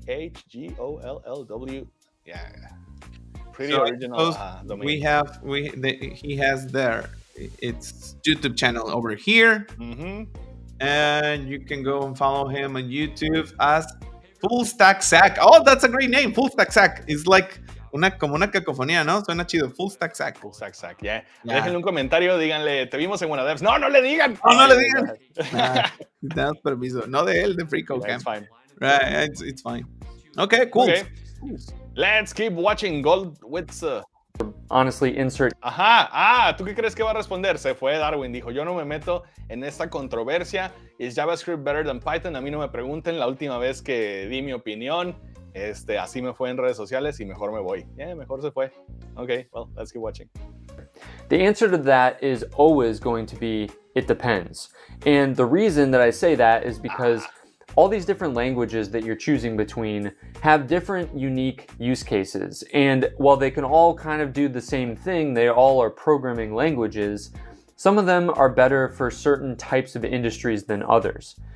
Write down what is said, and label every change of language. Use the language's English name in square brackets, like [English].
[English] Zachgoll. Yeah. Pretty so original dominio. He has there. It's YouTube channel over here. And you can go and follow him on YouTube as Full Stack Zach. Oh, that's a great name. Full Stack Zach is like [Spanish] una cacofonía, [English] ¿no? [Spanish] Suena chido. Full Stack Zach. [English] Full Stack Zach, yeah. Yeah. [Spanish] Déjenle un comentario, díganle, te vimos en WannaDevs. No, no le digan. No, no le digan. Nah, damos permiso. No de él, de Freak O'Camp. [English] Yeah, it's fine. Right, it's fine. Okay, cool. Okay. Let's keep watching Gold with Honestly, insert. [Spanish] Ajá, ¿tú qué crees que va a responder? Se fue Darwin, dijo, yo no me meto en esta controversia. [English] Is JavaScript better than Python? [Spanish] A mí no me pregunten, la última vez que di mi opinión, así me fue en redes sociales y mejor me voy. [English] Yeah, [Spanish] mejor se fue. [English] Okay, well, let's keep watching. The answer to that is always going to be, it depends. And the reason that I say that is because all these different languages that you're choosing between have different unique use cases. And while they can all kind of do the same thing, they all are programming languages, some of them are better for certain types of industries than others.